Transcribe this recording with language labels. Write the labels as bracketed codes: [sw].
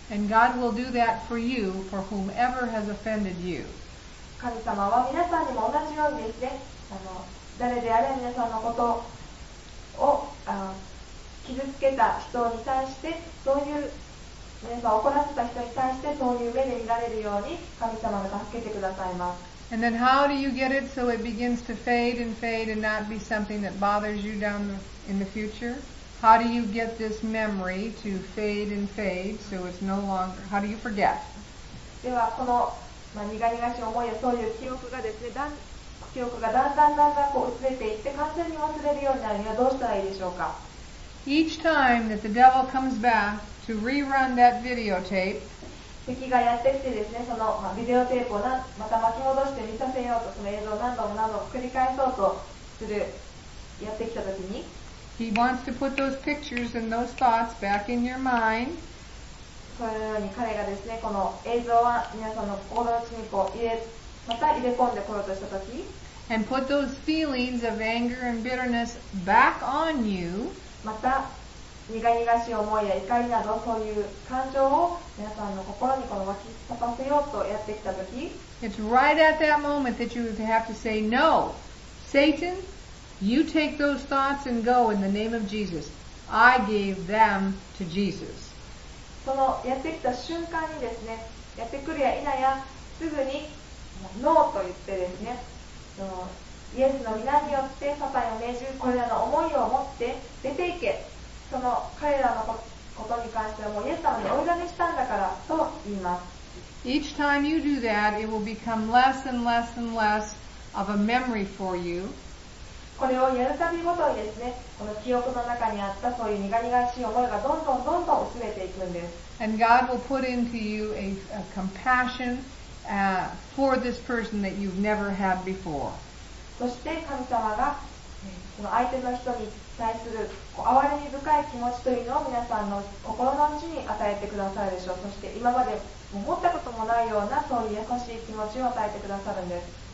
[en] And God will do that for you, for whomever has offended you. [ja] 神様は皆さんにも同じようにですね、誰であれ皆さんのことを傷つけた人に対して、そういう皆さんを怒らせた人に対して、そういう目で見られるように神様が助けてくださいます。 [en] And then how do you get it so it begins to fade and fade and not be something that bothers you down in the future? How do you get this memory to fade and fade so it's no longer? How do you forget? [ja] ではこの苦々しい思いやそういう記憶がですね、記憶がだんだんだんだんこう薄れていって完全に忘れるようになるにはどうしたらいいでしょうか。 [en] Each time that the devil comes back to rerun that videotape, [ja] 敵がやってきてですね、その、ビデオテープをまた巻き戻して見させようと、その映像を何度も何度も繰り返そうとするやってきたときに、 [en] he wants to put those pictures and those thoughts back in your mind. [ja] そのように彼がですね、この映像は皆さんの心の中にこう入れ込んでこようとしたとき、 [en] and put those feelings of anger and bitterness back on you、 [ja] また苦々しい思いや怒りなどそういう感情を皆さんの心にこの湧き立たせようとやってきたとき、 [en] it's right at that moment that you have to say no, Satan, you take those thoughts and go in the name of Jesus. I gave them to Jesus. [ja] そのやってきた瞬間にですね、やってくるや否やすぐにノーと言ってですね、そのイエスの皆によってサタンを命じる、これらの思いを持って出ていけ、その彼らのことに関してはもうイエス様にお委ねしたんだからと言います。 [en] Each time you do that, it will become less and less and less of a memory for you。 [ja] これをやるたびごとにですね、この記憶の中にあったそういう苦々しい思いがどんどんどんどん薄れていくんです。 [en] And God will put into you a compassion, for this person that you've never had before. [ja] そして神様がその相手の人に対する哀れみ深い気持ちというのを皆さんの心の内に与えてくださるでしょう。そして今まで思ったこともないようなそういう優しい気持ちを与えてくださるんです。